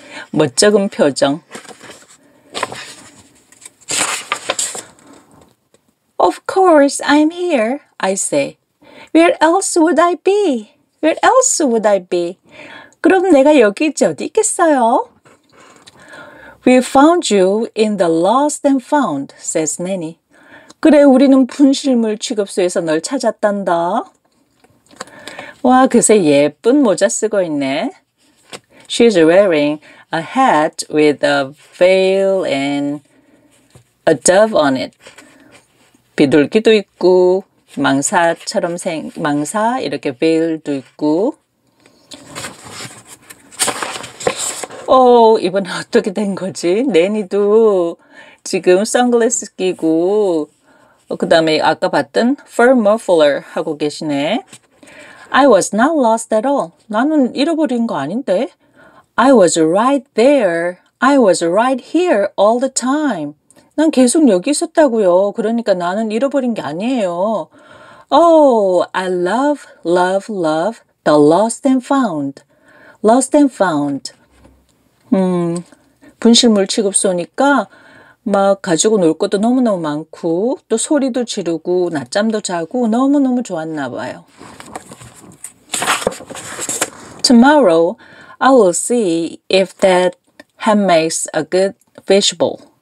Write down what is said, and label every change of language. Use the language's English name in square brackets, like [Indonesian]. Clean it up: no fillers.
[Korean] 멋쩍은 표정. [English] Of course, I'm here, I say. Where else would I be? Where else would I be? [Korean] 그럼 내가 여기 있지 어디 있겠어요? [English] We found you in the lost and found, says Nanny. [Korean] 그래, 우리는 분실물 취급소에서 널 찾았단다. 와, 그새 예쁜 모자 쓰고 있네. [English] She's wearing a hat with a veil and a dove on it. [Korean] 비둘기도 있고 망사처럼 망사 이렇게 veil도 있고. 이번엔 어떻게 된 거지? 내니도 지금 선글라스 끼고 그다음에 아까 봤던 fur muffler 하고 계시네. [English] I was not lost at all. [Korean] 나는 잃어버린 거 아닌데. [English] I was right there. I was right here all the time. [Korean] 난 계속 여기 있었다고요. 그러니까 나는 잃어버린 게 아니에요. [English] I love, love, love the lost and found. Lost and found. [Korean] 분실물 취급소니까 막 가지고 놀 것도 너무너무 많고 또 소리도 지르고 낮잠도 자고 너무너무 좋았나 봐요. [English] Tomorrow, I will see if that hat makes a good fishbowl.